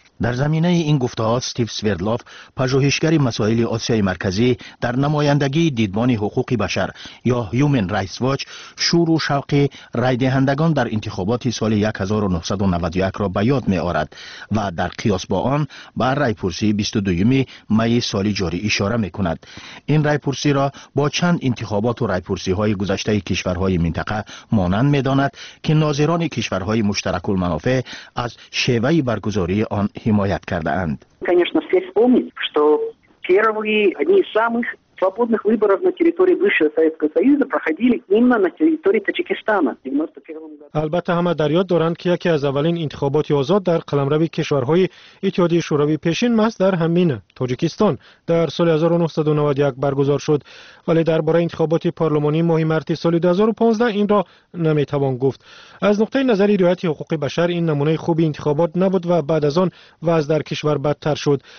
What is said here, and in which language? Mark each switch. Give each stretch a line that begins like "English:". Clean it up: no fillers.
Persian: در زمینه این گفته‌ها استیو سویردلوف، پژوهشگر مسائل آسیای مرکزی در نمایندگی دیدبان حقوق بشر یا Human Rights Watch، شور و شوق رای دهندگان در انتخابات سال 1991 را به یاد می‌آورد و در قیاس با آن به رایپرسی 22 می سال جاری اشاره می‌کند. این رایپرسی را با چند انتخابات و رایپرسی‌های گذشته کشورهای منطقه مانند می‌داند که ناظران کشورهای مشترک المنافع از شیوه برگزاری آن حمایت کرده اند.
Russian: Конечно, все помнят, что первые одни из самых свободных выборов на территории бывшего Советского Союза проходили именно на территории Таджикистана в 91 году.
Tajik: Албатта ҳама дар ёд доранд ки яке аз аввалин интихоботи озод дар қаламрави кишварҳои Иттиҳодияи Шӯравӣ пешин маҳз дар ҳамин Таҷикистон дар соли 1991 баргузор шуд, вале дар бораи интихоботи парлумонӣ моҳи марти соли 2015 инро наметавон гуфт. Аз нуқтаи назари риояти ҳуқуқи башар ин намунаи хуби интихобот набуд ва баъд аз он вазъ дар кишвар бадтар шуд.